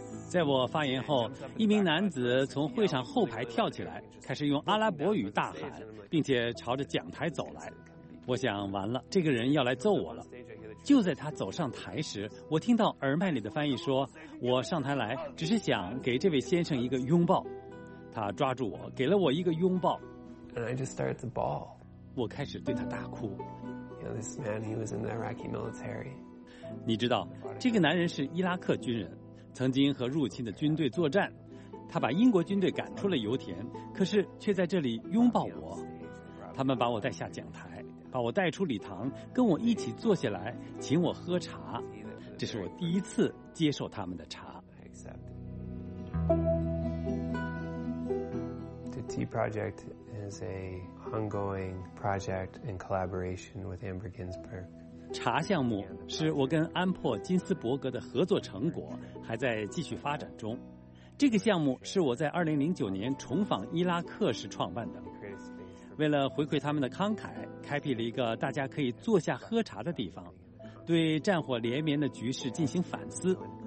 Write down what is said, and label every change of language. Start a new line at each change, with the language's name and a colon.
Chinese: 在我发言后，一名男子从会场后排跳起来，开始用阿拉伯语大喊，并且朝着讲台走来。我想，完了，这个人要来揍我了。就在他走上台时，我听到耳麦里的翻译说，我上台来只是想给这位先生一个拥抱。他抓住我，给了我一个拥抱。
English: And I just started to bawl.
Chinese: 我开始对他大哭。
English: You know, this man, he was in the Iraqi military.
Chinese: 你知道，这个男人是伊拉克军人，曾经和入侵的军队作战。他把英国军队赶出了油田，可是却在这里拥抱我。他们把我带下讲台，把我带出礼堂，跟我一起坐下来，请我喝茶。这是我第一次接受他们的茶。
English: The Tea Project is a ongoing project in collaboration with Amber Ginsberg.
Chinese: 茶项目是我跟安珀金斯伯格的合作成果，还在继续发展中。这个项目是我在2009年重访伊拉克时创办的。为了回馈他们的慷慨，开辟了一个大家可以坐下喝茶的地方，对战火连绵的局势进行反思。